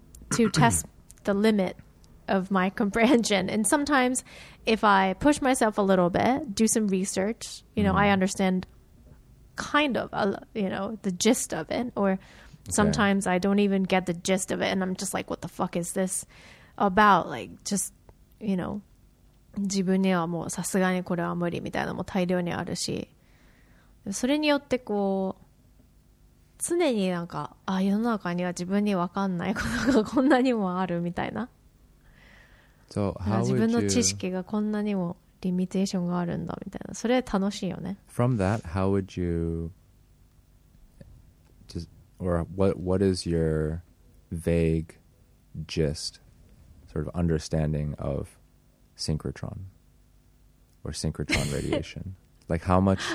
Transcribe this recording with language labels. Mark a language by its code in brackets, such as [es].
[en] to test the limit of my comprehension and sometimes if I push myself a little bit do some research you know I understand kind of you know the gist of it or sometimes I don't even get the gist of it and I'm just like what the fuck is this about like just you know [ja] 自分にはもうさすがにこれは無理みたいなのも大量にあるしそれによってこう常になんかあ世の中には自分にわかんないことがこんなにもあるみたいな [en] So how would [ja] 自分の知識がこんなにもリミテーションがあるんだみたいな。それ楽しいよね。 [en] From that, how would you or what is your vague gist sort of understanding of synchrotron or synchrotron radiation? like how much